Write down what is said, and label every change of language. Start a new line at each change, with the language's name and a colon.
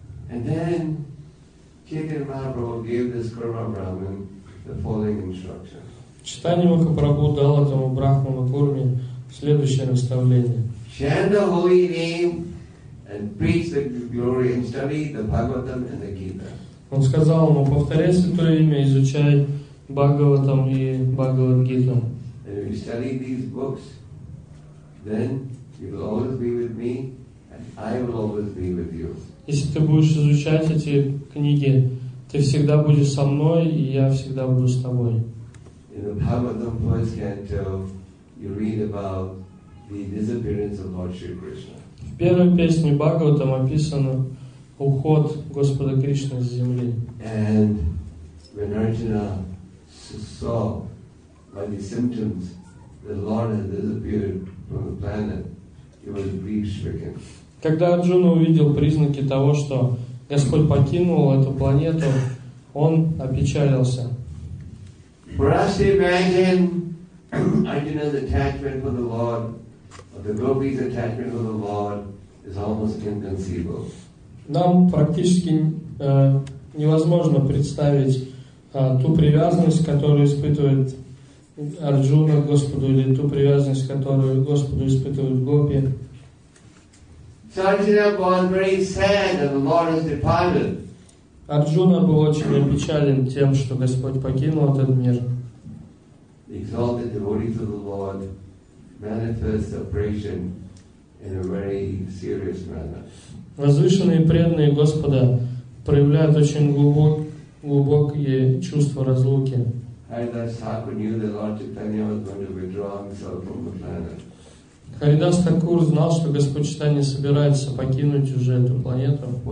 Russian: Чайтанья Махапрабху дал этому Брахману Курме следующее наставление.
English: Chant the holy name and preach the glory and study the Bhagavatam and the Gita.
Russian: Он сказал ему: повторяй святое имя, изучай Бхагаватам и Бхагавад-гиту.
English: And if you study these books, then you will always be with me and I will always be with you.
Russian: Если ты будешь изучать эти книги, ты всегда будешь со мной, и я всегда буду с тобой.
English: In the Bhagavatam first canto, you read about the disappearance of Lord Shri Krishna.
Russian: В первой песне Бхагаватам описано уход Господа Кришны с земли.
English: And when Arjuna saw by the symptoms that the Lord had disappeared from the planet, he was grief-stricken.
Russian: Когда Арджуна увидел признаки того, что Господь покинул эту планету, он опечалился.
English: Brahmi Bandhan, Arjuna's attachment for the Lord, or the gopis' attachment for the Lord, is almost inconceivable.
Russian: Нам практически невозможно представить ту привязанность, которую испытывает Арджуна к Господу, или ту привязанность, которую Господу испытывают гопи.
English: Arjuna was very sad that the Lord has departed.
Russian: Arjuna был очень опечален тем, что Господь покинул этот мир.
English: The exalted devotees of the Lord manifest oppression in a very serious manner.
Russian: Возвышенные преданные Господа проявляют очень глубокие чувства разлуки.
English: Haridas Thakur knew that Lord Chaitanya was going to withdraw himself from the planet.
Russian: Харидас Такур знал, что Господь Читания собирается покинуть уже эту планету.